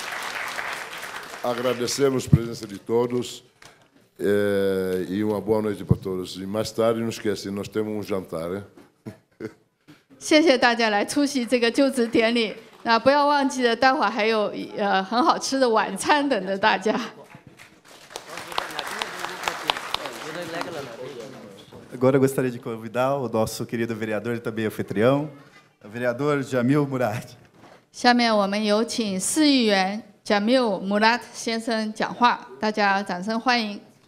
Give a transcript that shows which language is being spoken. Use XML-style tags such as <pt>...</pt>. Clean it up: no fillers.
<zh>我没有做好讲话的准备，但是很荣幸能够在这边。那么叶会长他是一个非常认真的一个人，所以我才就是帮他。</zh> <pt>Agradecemos presença de todos e uma boa noite para todos. E mais tarde, não esquece, nós temos jantar.</pt> <zh>谢谢大家来出席这个就职典礼。</zh> <pt>Agora eu gostaria de convidar o nosso querido vereador e também anfitrião, o vereador Jamil Murad.</pt> <zh>下面我们有请市议员 Jamil Murad 先生讲话，大家掌声欢迎。</zh>